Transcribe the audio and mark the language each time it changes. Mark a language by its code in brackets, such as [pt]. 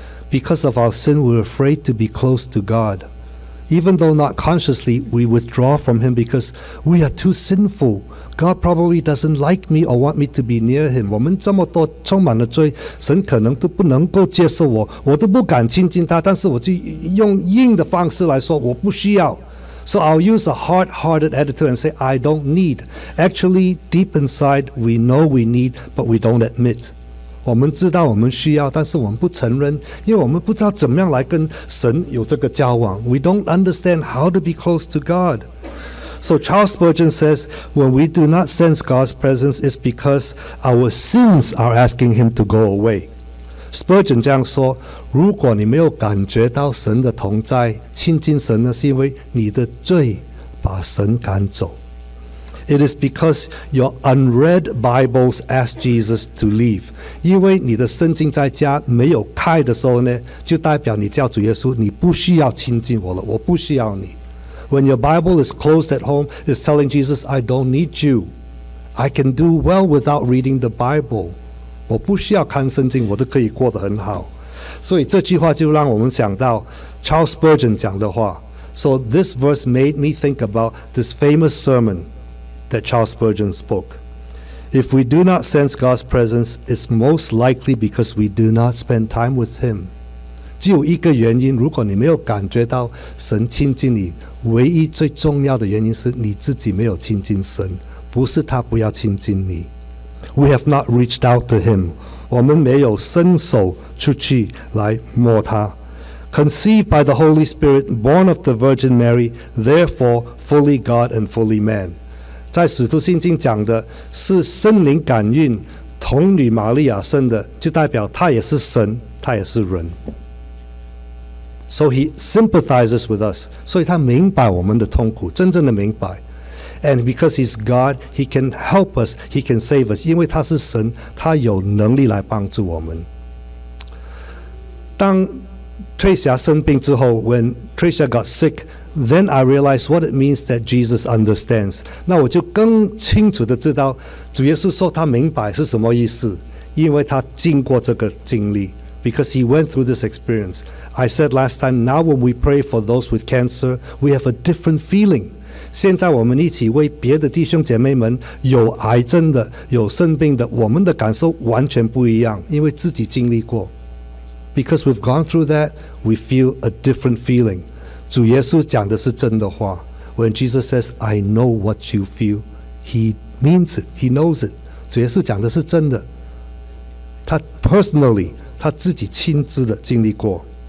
[en] Because of our sin, we're afraid to be close to God. Even though not consciously, we withdraw from Him because we are too sinful. God probably doesn't like me or want me to be near Him. [zh] 我们这么多充满了罪，神可能都不能够接受我，我都不敢亲近他，但是我就用硬的方式来说，我不需要。 [en] So I'll use a hard-hearted attitude and say, I don't need. Actually, deep inside, we know we need, but we don't admit. [zh] 我们知道我们需要，但是我们不承认，因为我们不知道怎么样来跟神有这个交往。 [en] We don't understand how to be close to God. So Charles Spurgeon says, when we do not sense God's presence, it's because our sins are asking Him to go away. [zh] Spurgeon 这样说，如果你没有感觉到神的同在，亲近神呢，是因为你的罪把神赶走。 [en] It is because your unread Bibles ask Jesus to leave. [zh] 因为你的圣经在家没有开的时候呢，就代表你叫主耶稣，你不需要亲近我了，我不需要你。 [en] When your Bible is closed at home, it's telling Jesus, I don't need you. I can do well without reading the Bible. [zh] 我不需要看圣经，我都可以过得很好。所以这句话就让我们想到 Charles Spurgeon 讲的话。 [en] So this verse made me think about this famous sermon that Charles Spurgeon spoke. If we do not sense God's presence, it's most likely because we do not spend time with Him. [zh] 只有一个原因，如果你没有感觉到神亲近你，唯一最重要的原因是你自己没有亲近神，不是他不要亲近你。 [en] We have not reached out to Him. [zh] 我们没有伸手出去来摸他。 [en] Conceived by the Holy Spirit, born of the Virgin Mary, therefore fully God and fully man. [zh] 在使徒信经讲的是圣灵感孕童女玛利亚生的，就代表他也是神，他也是人。 [en] So he sympathizes with us. [zh] 所以他明白我们的痛苦，真正的明白。 [en] And because he's God, he can help us, he can save us. [zh] 因为他是神，他有能力来帮助我们。当 Tracia 生病之后， [en] when Tracia got sick, Then I realized what it means that Jesus understands. [zh] 那我就更清楚地知道主耶稣说他明白是什么意思，因为他经过这个经历。 [en] Because he went through this experience. I said last time, now when we pray for those with cancer, we have a different feeling. [zh] 现在我们一起为别的弟兄姐妹们有癌症的，有生病的，我们的感受完全不一样，因为自己经历过。 [en] Because we've gone through that, we feel a different feeling. [zh] 主耶稣讲的是真的话。 [en] When Jesus says, I know what you feel, He means it, He knows it. [zh] 主耶稣讲的是真的，他 personally, 他自己亲自的经历过。